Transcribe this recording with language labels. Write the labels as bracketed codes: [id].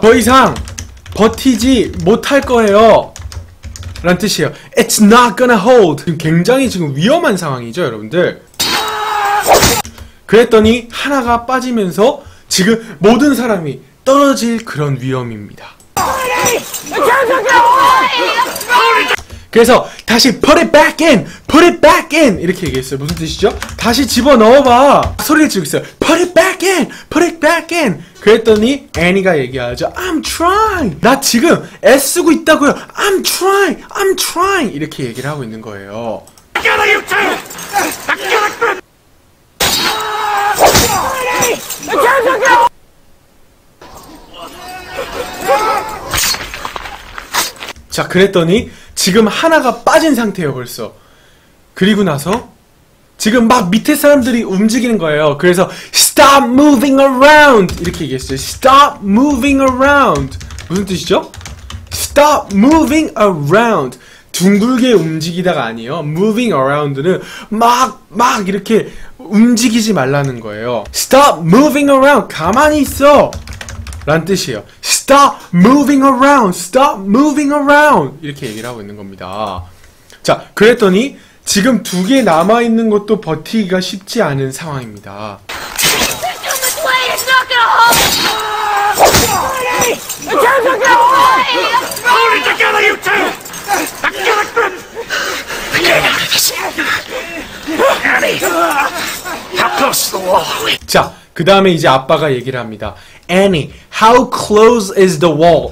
[ko] 더 이상 버티지 못할 거예요. 라는 뜻이에요. [en] It's not gonna hold. [ko] 굉장히 지금 위험한 상황이죠, 여러분들. 그랬더니 하나가 빠지면서 지금 모든 사람이 떨어질 그런 위험입니다. [en] 그래서 다시 put it back in, put it back in [ko] 이렇게 얘기했어요. 무슨 뜻이죠? 다시 집어넣어봐 소리를 지르고 있어요. [en] put it back in, put it back in. [ko] 그랬더니 애니가 얘기하죠. [en] I'm trying, [ko] 나 지금 애쓰고 있다고요. [en] I'm trying, I'm trying [ko] 이렇게 얘기를 하고 있는 거예요. 자, 그랬더니 지금 하나가 빠진 상태예요, 벌써. 그리고 나서 지금 막 밑에 사람들이 움직이는 거예요. 그래서 [en] Stop moving around! [ko] 이렇게 얘기했어요. [en] Stop moving around! [ko] 무슨 뜻이죠? [en] Stop moving around! [ko] 둥글게 움직이다가 아니에요. Moving around는 막 이렇게 움직이지 말라는 거예요. [en] Stop moving around! [ko] 가만히 있어! 라는 뜻이에요. [en] Stop moving around! Stop moving around! [ko] 이렇게 얘기를 하고 있는 겁니다. 자, 그랬더니 지금 두 개 남아있는 것도 버티기가 쉽지 않은 상황입니다. 자, 그 다음에 이제 아빠가 얘기를 합니다. [en] Annie, how close is the wall?